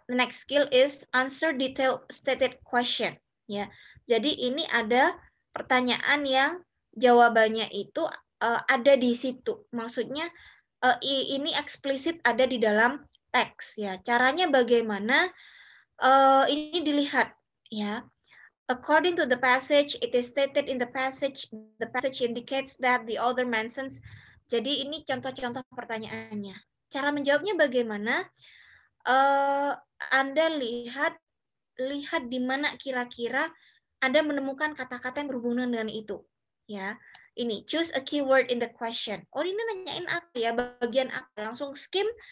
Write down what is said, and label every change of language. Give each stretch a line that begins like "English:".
English: The next skill is answer detailed stated question, ya.
Indonesian: Jadi ini ada pertanyaan yang jawabannya itu ada di situ. Maksudnya ini eksplisit ada di dalam teks, ya. Caranya bagaimana? Ini dilihat, ya.
English: According to the passage, it is stated in the passage indicates that the author mentions.
Indonesian: Jadi ini contoh-contoh pertanyaannya. Cara menjawabnya bagaimana? Anda lihat di mana kira-kira Anda menemukan kata-kata yang berhubungan dengan itu, ya. Ini
English: choose a keyword in the question.
Indonesian: Oh, ini nanyain apa ya? Bagian apa? Langsung skim.